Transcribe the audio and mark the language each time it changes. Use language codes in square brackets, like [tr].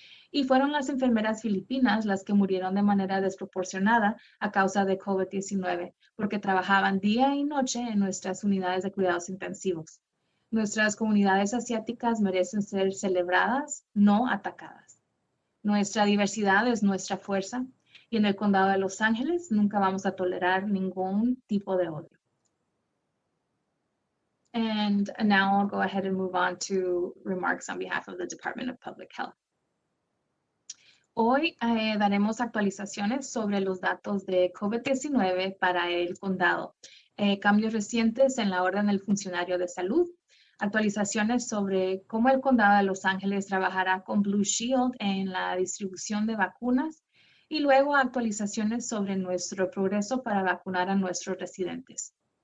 [es] Y fueron las enfermeras filipinas las que murieron de manera desproporcionada a causa de COVID-19, porque trabajaban día y noche en nuestras unidades de cuidados intensivos. Nuestras comunidades asiáticas merecen ser celebradas, no atacadas. Nuestra diversidad es nuestra fuerza, y en el condado de Los Ángeles nunca vamos a tolerar ningún tipo de odio. [en] And now I'll go ahead and move on to remarks on behalf of the Department of Public Health. [es] Hoy daremos actualizaciones sobre los datos de COVID-19 para el condado, cambios recientes en la orden del funcionario de salud, actualizaciones sobre cómo el condado de Los Ángeles trabajará con Blue Shield en la distribución de vacunas y luego actualizaciones sobre nuestro progreso para vacunar a nuestros residentes.